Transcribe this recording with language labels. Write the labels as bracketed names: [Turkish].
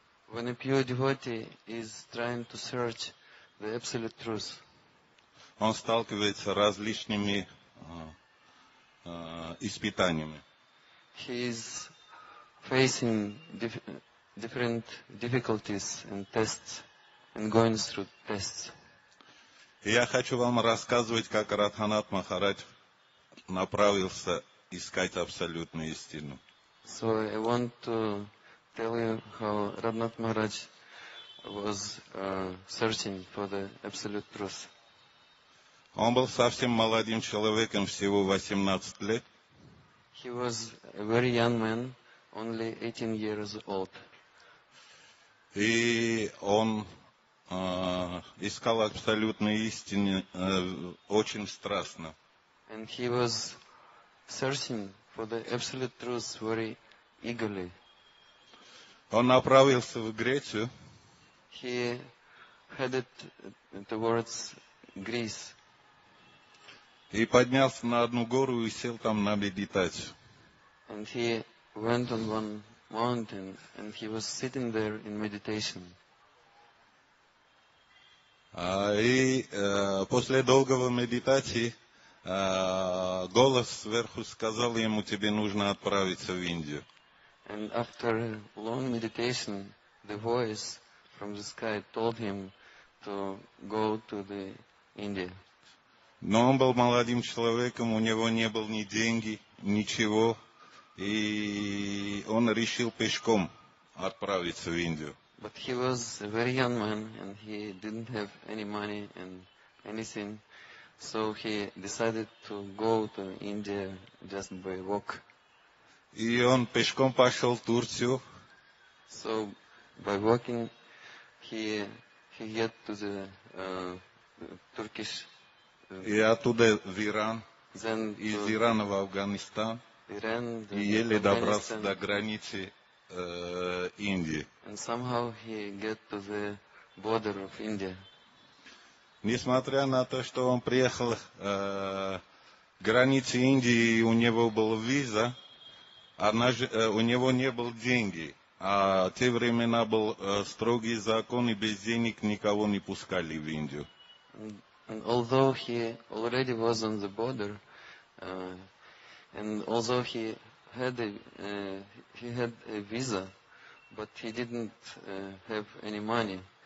[English] When a pure devotee is trying to search the absolute truth. [Russian] Он сталкивается с различными испытаниями. [English] He is facing different difficulties and tests and going through tests. [Russian] Я хочу вам рассказывать, как Радханат Махарадж направился искать абсолютную истину. [English] So I want to tell you how Radhanath Maharaj was searching for the absolute truth. [Russian] Он был совсем молодым человеком, всего 18 лет. [English] He was a very young man, only 18 years old. [Russian] И он искал абсолютную истину очень страстно. [English] And he was searching for the absolute truth very eagerly. [Russian] Он направился в Грецию. [English] He headed towards Greece. [Russian] И поднялся на одну гору и сел там на медитацию. [English] And he went on one mountain and he was sitting there in meditation. [Russian] После долгого медитации голос сверху сказал ему, тебе нужно отправиться в Индию. [English] And after long meditation, the voice from the sky told him to go to the India. [Russian] Но он был молодым человеком, у него не было ни деньги, ничего, и он решил пешком отправиться в Индию. [English] But he was a very young man, and he didn't have any money and anything. So he decided to go to India just by walk. [Russian] И он пешком пошел в Турцию. [English] So by walking he get to the Turkish. [Russian] И оттуда в Иран. [English] Then [Russian] из Ирана в Афганистан. Иран, и еле добрался до границы Индии. [English] And somehow he get to the border of India. [Russian] Несмотря на то, что он приехал к границе Индии и у него была виза, Она же, у него не было деньги, а те времена был строгий закон, и без денег никого не пускали в Индию. [English] And although he already was on the border, and although he had a visa, but he didn't have any money.